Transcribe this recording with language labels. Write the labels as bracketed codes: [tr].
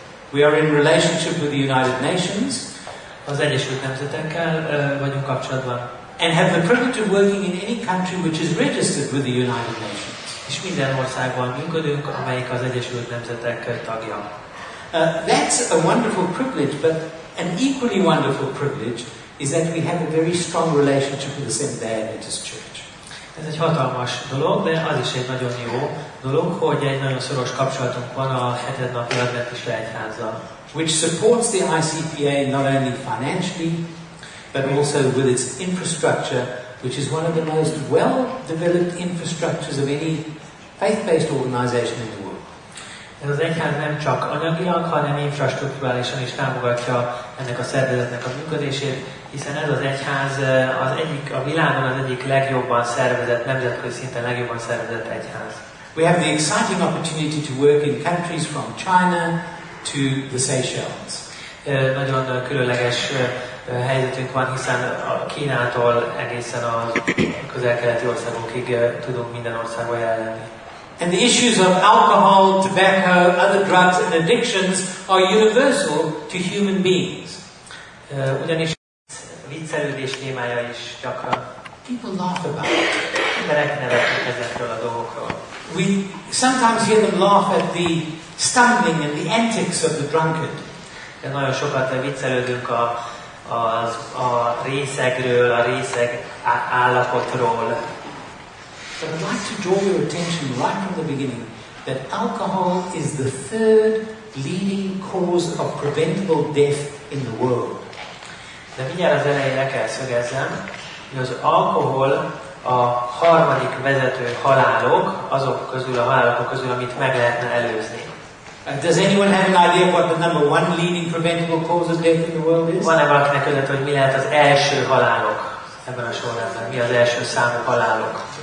[en] We are in relationship with the United Nations. [hu] Az Egyesült Nemzetekkel vagyunk kapcsolatban. [en] And have the privilege of working in any country which is registered with the United Nations. [hu] És minden országban működünk, amelyik az Egyesült Nemzetek tagja. [en] That's a wonderful privilege, but an equally wonderful privilege is that we have a very strong relationship with the Seventh-day Adventist Church. [hu] Ez egy hatalmas dolog, de az is egy nagyon jó dolog, hogy egy nagyon szoros kapcsolatunk van a hetednapi adventista egyházzal. [en] Which supports the ICPA not only financially, but also with its infrastructure, which is one of the most well-developed infrastructures of any faith-based organization in the world. [hu] Ez az egyház nem csak anyagilag, hanem infrastruktúrálisan is támogatja ennek a szervezetnek a működését, hiszen ez az egyház az egyik, a világon az egyik legjobban szervezett, nemzetközi szinten legjobban szervezett egyház. [en] We have the exciting opportunity to work in countries from China to the Seychelles. [hu] Nagyon különleges helyzetünk van, hiszen a Kínától egészen a közel-keleti országokig tudunk minden országba jelenni. [en] And the issues of alcohol, tobacco, other drugs and addictions are universal to human beings. [hu] Ugyanis viccelődés témája is gyakran. [en] People laugh about it. [hu] Emberek nevetnek ezekről a dolgokról. [en] We sometimes hear them laugh at the stumbling and the antics of the drunkard. [hu] De nagyon sokat viccelődünk a részegről, a részeg állapotról. [en] But I'd like to draw your attention right from the beginning that alcohol is the third leading cause of preventable death in the world. [hu] De mindjárt az elejére kell szögezzem, hogy az alkohol a harmadik vezető halálok, azok közül a halálok közül, amit meg lehetne előzni. [en] And does anyone have an idea what the number one leading preventable cause of death in the world is? [hu] Van-e valakinek ötlete, hogy mi lehet az első halálok ebben a sorrendben? Mi az első számú halálok?